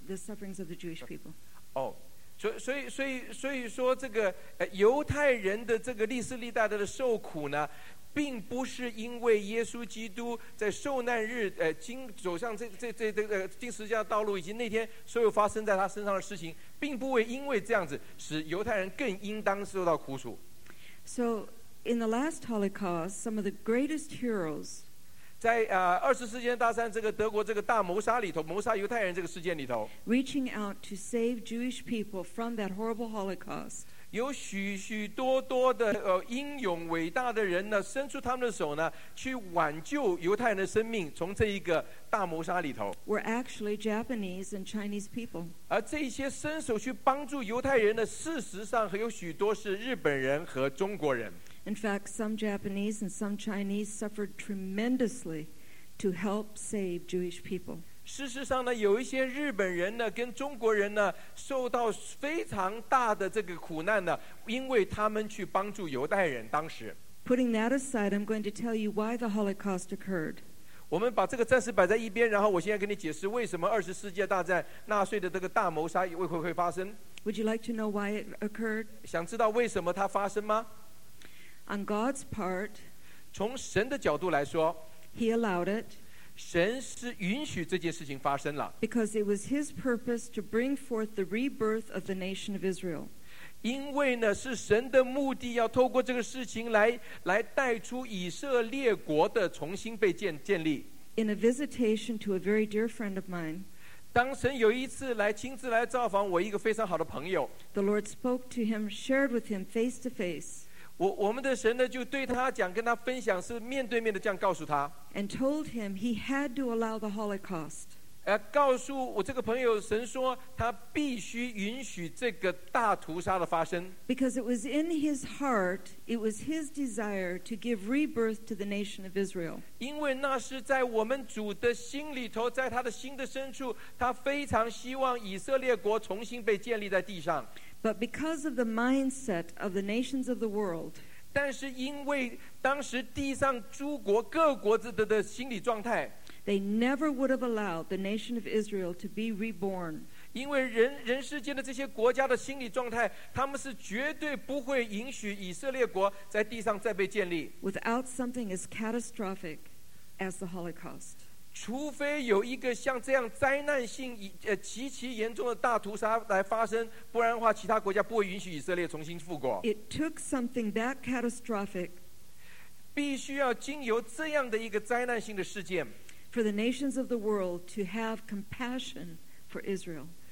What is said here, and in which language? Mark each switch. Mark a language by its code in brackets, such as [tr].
[en] The sufferings of the Jewish people. Oh, so [zh] 这个犹太人的这个历史历代的受苦呢，并不是因为耶稣基督在受难日经走向这个钉十字架道路，以及那天所有发生在他身上的事情，并不会因为这样子使犹太人更应当受到苦楚。 [en] So, in the last Holocaust, some of the greatest heroes. [zh] 在二十世纪大战这个德国这个大谋杀里头，谋杀犹太人这个事件里头 [en] ，reaching out to save Jewish people from that horrible Holocaust， [zh] 有许许多多的英勇伟大的人呢，伸出他们的手呢，去挽救犹太人的生命，从这一个大谋杀里头 [en] ，were actually Japanese and Chinese people， [zh] 而这些伸手去帮助犹太人的，事实上还有许多是日本人和中国人。 [en] In fact, some Japanese and some Chinese suffered tremendously to help save Jewish people. [zh] 事实上呢，有一些日本人呢，跟中国人呢，受到非常大的这个苦难呢，因为他们去帮助犹太人当时。 [en] Putting that aside, I'm going to tell you why the Holocaust occurred. [zh] 我们把这个暂时摆在一边，然后我现在跟你解释为什么二十世纪大战纳粹的这个大谋杀为何会发生。 [en] Would you like to know why it occurred? [zh] 想知道为什么它发生吗？ [en] On God's part, [zh] 从神的角度来说 [en] He allowed it [zh] 神是允许这件事情发生了 [en] Because it was his purpose to bring forth the rebirth of the nation of Israel [zh] 因为呢是神的目的要透过这个事情 来带出以色列国的重新被 建立 [en] In a visitation to a very dear friend of mine [zh] 当神有一次来亲自来造访我一个非常好的朋友 [en] The Lord spoke to him, shared with him face to face [zh] 我们的神呢就对他讲跟他分享是面对面的这样告诉他 [en] and told him he had to allow the Holocaust [zh] 告诉我这个朋友神说他必须允许这个大屠杀的发生 [en] because it was in his heart it was his desire to give rebirth to the nation of Israel [zh] 因为那是在我们主的心里头在他的心的深处他非常希望以色列国重新被建立在地上 [en] But because of the mindset of the nations of the world, [zh] 但是因为当时地上诸国各国的心理状态 [en] they never would have allowed the nation of Israel to be reborn. [zh] 因为人世间的这些国家的心理状态，他们是绝对不会允许以色列国在地上再被建立 [en] without something as catastrophic as the Holocaust. [zh] 除非有一个像这样灾难性极其严重的大屠杀来发生不然的话其他国家不会允许以色列重新复国 [en] It took something that catastrophic [zh] 必须要经由这样的一个灾难性的事件 [en] for the nations of the world to have compassion for Israel